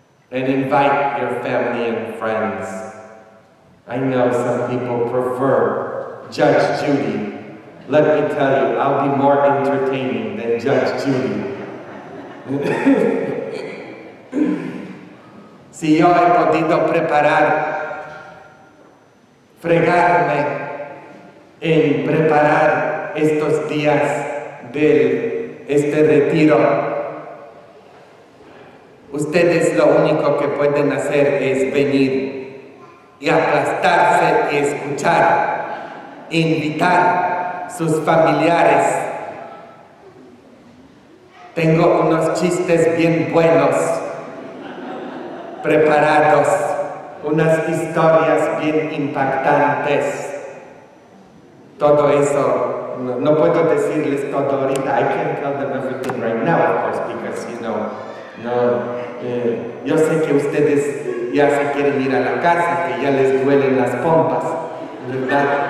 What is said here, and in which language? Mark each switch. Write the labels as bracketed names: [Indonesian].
[English] And invite your family and friends. I know some people prefer Judge Judy. Let me tell you, I'll be more entertaining than Judge Judy. [Spanish] Si yo he podido preparar, fregarme en preparar estos días de este retiro, ustedes lo único que pueden hacer es venir y aplastarse y escuchar, invitar sus familiares. Tengo unos chistes bien buenos preparados, unas historias bien impactantes. Todo eso, no puedo decirles todo ahorita. [English] I can't tell them everything right now, of course, because, you know, no. [Spanish] Yo sé que ustedes ya se quieren ir a la casa, que ya les duelen las pompas, ¿verdad?